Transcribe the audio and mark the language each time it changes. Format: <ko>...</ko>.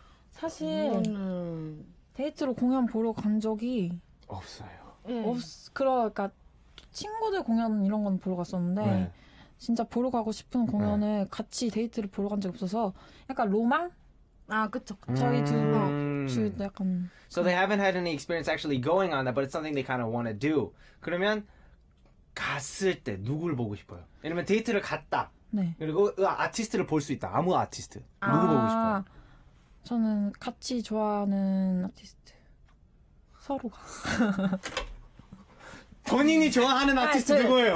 <ko>사실 데이트로 공연 보러 간 적이 없어요. 그러니까 친구들 공연 이런 건 보러 갔었는데 네. 진짜 보러 가고 싶은 공연을 네. 같이 데이트를 보러 간 적이 없어서 약간 로망? 아, 그쵸. 저희 둘 약간</ko> <en>So they haven't had any experience actually going on that, but it's something they kind of want to do.</en> <ko>그러면 갔을 때 누굴 보고 싶어요? 왜냐면 데이트를 갔다. 네. 그리고 아티스트를 볼 수 있다. 아무 아티스트. 누구 보고 싶어요? 저는 같이 좋아하는 아티스트 서로가 본인이 좋아하는 아티스트 누구예요?</ko>